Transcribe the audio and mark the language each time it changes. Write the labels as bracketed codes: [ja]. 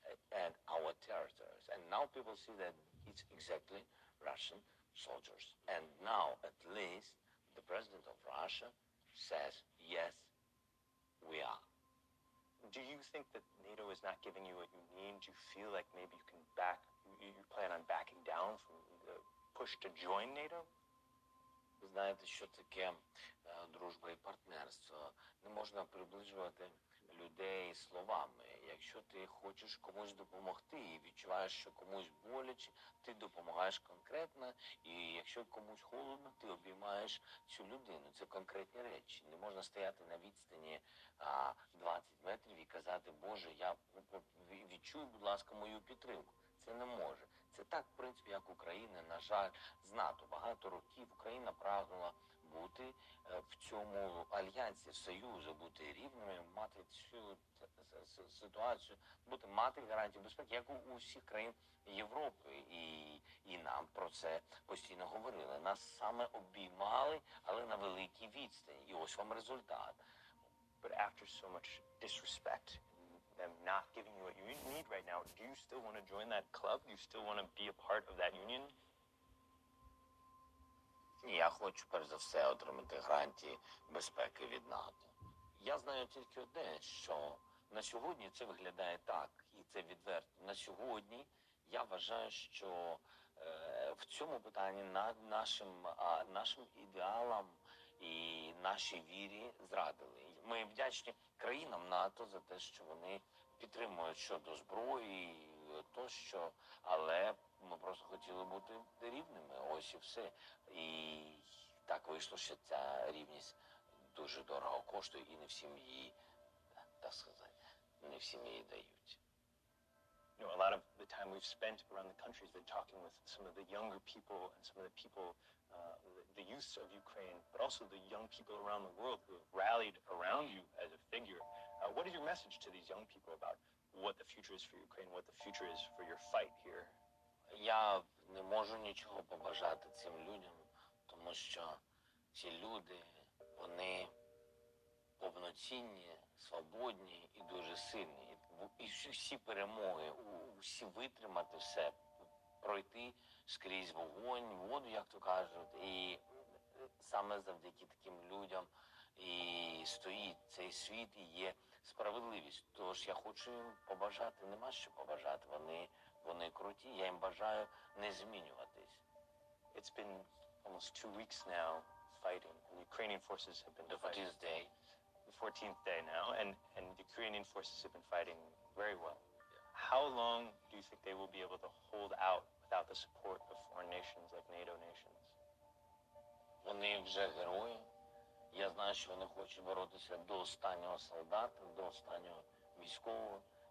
[en] And our territories, and now people see that it's exactly Russian soldiers, and now at least The president of Russia says, yes, we are. Do you think that NATO is not giving you what you need? Do you feel like maybe you can back, you plan on backing down from the push to join NATO? [uk] Знаєте, що таке дружба і партнерство? Не можна приближувати людей словами. Якщо ти хочеш комусь допомогти і відчуваєш, що комусь боляче, ти допомагаєш конкретно. І якщо комусь холодно, ти обіймаєш цю людину. Це конкретні речі. Не можна стояти на відстані 20 метрів і казати, Боже, я відчую, будь ласка, мою підтримку. Це не може. Це так, в принципі, як Україна, на жаль, з НАТО. Багато років Україна прагнула бути в цьому альянсі, в Союзі, бути рівними, мати цю ситуацію, бути мати гарантію безпеки, як у всіх країн Європи. І нам про це постійно говорили. Нас саме обіймали, але на великій відстані. І ось вам результат. [en] But after so much disrespect, them not giving you what you need right now, do you still want to join that club? Do you still want to be a part of that union? [uk] Я хочу перш за все отримати гарантії безпеки від НАТО. Я знаю тільки одне, що на сьогодні це виглядає так, і це відверто. На сьогодні я вважаю, що в цьому питанні нашим ідеалам і нашій вірі зрадили. Ми вдячні країнам НАТО за те, що вони підтримують щодо зброї тощо, але ми просто хотіли бути рівними, ось і все. І так вийшло, що ця рівність дуже дорого коштує, і не всім її, так сказати, не всім її дають. [en] You know, a lot of the time we've spent around the country has been talking with some of the younger people and some of the people, the youth of Ukraine, but also the young people around the world who have rallied around you as a figure. What is your message to these young people about what the future is for Ukraine, what the future is for your fight here? [uk] Я не можу нічого побажати цим людям, тому що ці люди, вони повноцінні, свободні і дуже сильні. І всі перемоги, всі витримати все, пройти скрізь вогонь, воду, як то кажуть. І саме завдяки таким людям і стоїть цей світ, і є справедливість. Тож я хочу їм побажати, нема що побажати, вони круті, я їм бажаю не змінюватись. [en] It's been almost 2 weeks now fighting, and Ukrainian forces have been fighting. The 14th day. The 14th day now, and the Ukrainian forces have been fighting very well. Yeah. How long do you think they will be able to hold out without the support of foreign nations like NATO nations? [uk] Вони вже герої. Я знаю, що вони хочуть боротися до останнього солдата, до останнього військового.